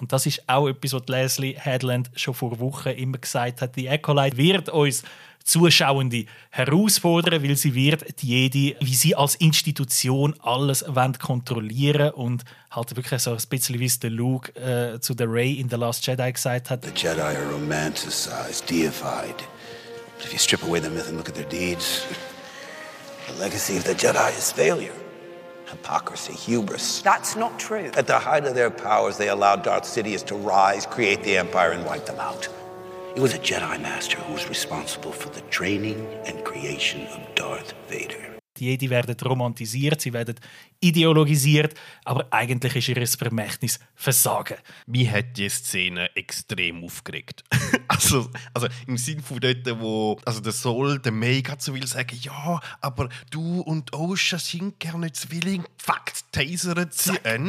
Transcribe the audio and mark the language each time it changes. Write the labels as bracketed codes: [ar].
[de] Und das ist auch etwas, was Leslie Headland schon vor Wochen immer gesagt hat. Die Acolyte wird uns Zuschauende herausfordern, weil sie wird die Jedi, wie sie als Institution alles kontrollieren wollen. Und halt wirklich so ein bisschen, wie es der Luke zu der Rey in The Last Jedi gesagt hat. [en] The Jedi are romanticized, deified. But if you strip away the myth and look at their deeds, the legacy of the Jedi is failure, hypocrisy, hubris. That's not true. At the height of their powers, they allowed Darth Sidious to rise, create the Empire and wipe them out. It was a Jedi Master who was responsible for the training and creation of Darth Vader. [de] Die Jedi werden romantisiert, sie werden ideologisiert, aber eigentlich ist ihr Vermächtnis Versagen. Mich hat die Szene extrem aufgeregt. also im Sinne von dort, wo also der Saul der May gerade so will sagen, ja, aber du und Osha sind gerne Zwilling, Fakt, Taser zu ein.